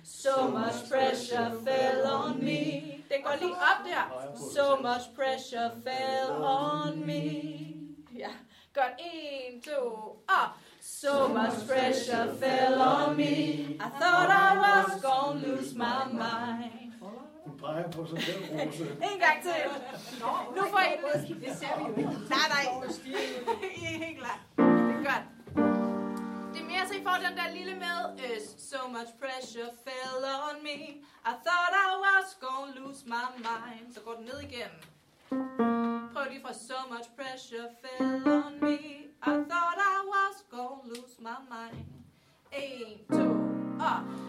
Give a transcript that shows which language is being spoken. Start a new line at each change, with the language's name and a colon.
English: So much pressure fell on me.
Danish: Det går lige op der.
English: So much pressure fell on me.
Danish: Ja, godt. 1, 2, up.
English: So much pressure fell on me. I thought I was gonna lose my mind.
Danish: Du peger på sig selv, Rose. En gang til. Nu får I det. Det ser vi jo ikke. Nej, nej. I er helt klar. Det er godt. Ja, så I får den der lille med.
English: So much pressure fell on me, I thought I was gonna lose my mind.
Danish: Så går den ned igen. Prøv lige for.
English: So much pressure fell on me, I thought I was gonna lose my mind. 1, 2, up.